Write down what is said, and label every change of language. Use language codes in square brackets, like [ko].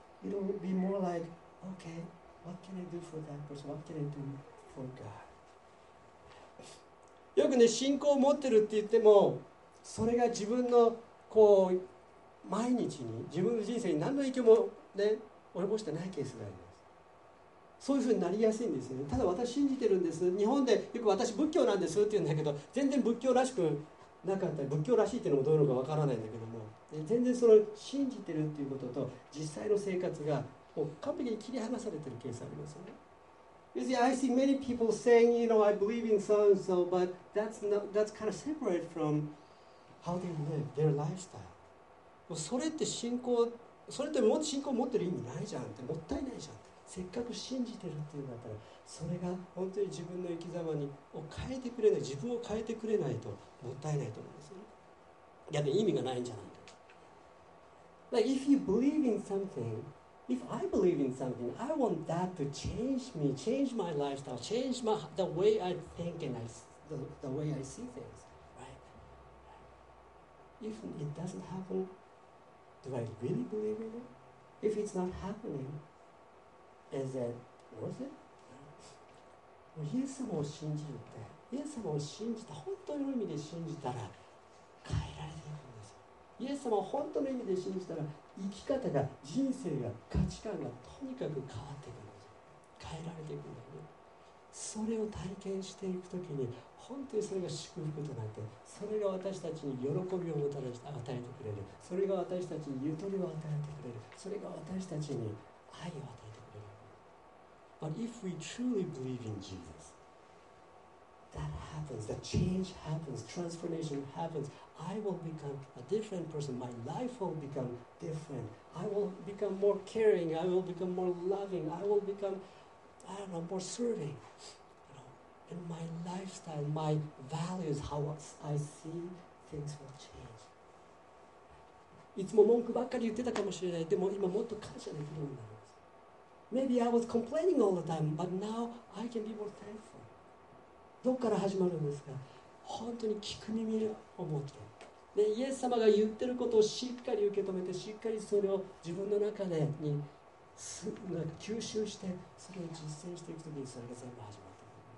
[en] It'll be more like, okay, what can I do for that person? What can I do for God? [ja] よくね、信仰を持ってるって言っても、それが自分のこう毎日に自分の人生に何の影響もね及ぼしてないケースがあります。そういうふうになりやすいんですよね。ただ私信じてるんです。日本でよく私仏教なんですって言うんだけど、全然仏教らしくなかったり、仏教らしいっていうのもどういうのかわからないんだけども、全然その信じてるっていうことと実際の生活がもう完璧に切り離されてるケースありますよね。 [en] You see, I see many people saying, you know, I believe in so and so, but that's kind of separate from how they live their lifestyle. [ja] それって信仰、それってもっと信仰を持ってる意味ないじゃんって、もったいないじゃんって。せっかく信じてるっていうんだったら、それが本当に自分の生き様にを変えてくれない、自分を変えてくれないともったいないと思うんですよね。逆に意味がないんじゃないか。 [en] Like if you believe in something, if I believe in something, I want that to change me, change my lifestyle, change my the way I think and the way I see things, right? If it doesn't happen. Do I really believe in it? If it's not happening, is that worth it? [ja] もうイエス様を信じるって、イエス様を信じた、本当の意味で信じたら変えられていくんですよ。イエス様を本当の意味で信じたら、生き方が、人生が、価値観がとにかく変わっていくんですよ。変えられていくんだよね。それを体験していくときに、本当にそれが祝福となって、それが私たちに喜びをもたらして与えてくれる、それが私たちにゆとりを与えてくれる、それが私たちに愛を与えてくれる。 [en] But if we truly believe in Jesus, that happens, that change happens, transformation happens. I will become a different person. My life will become different. I will become more caring. I will become more loving. I will become, I don't know, more serving. And my lifestyle, my values, how I see things will change. [ja] いつも文句ばっかり言ってたかもしれない。でも今もっと感謝できるようになります。 [en] Maybe I was complaining all the time, but now I can be more thankful. [ja] どこから始まるんですか？本当に聞く耳を持って、で、イエス様が言ってることをしっかり受け止めて、しっかりそれを自分の中でに吸収して、それを実践していくときに、それが全部始まってくる。